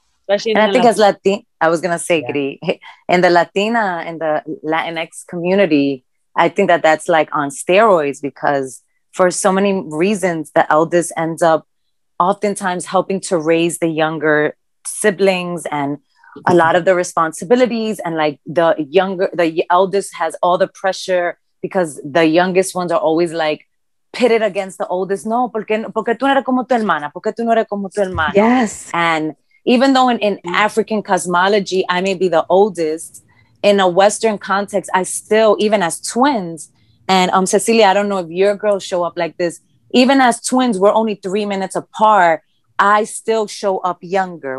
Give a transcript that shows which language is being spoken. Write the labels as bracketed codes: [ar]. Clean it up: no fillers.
[en] And I think as Latin, I was going to say, Gri, in the Latina, in the Latinx community, I think that that's like on steroids, because for so many reasons, the eldest ends up oftentimes helping to raise the younger siblings and a lot of the responsibilities. And like the eldest has all the pressure because the youngest ones are always like pitted against the oldest. [es] No, porque tú no eres como tu hermana, porque tú no eres como tu hermano. [en] Yes. And even though in African cosmology, I may be the oldest, in a Western context, I still, even as twins, and Cecilia, I don't know if your girls show up like this, even as twins, we're only 3 minutes apart, I still show up younger.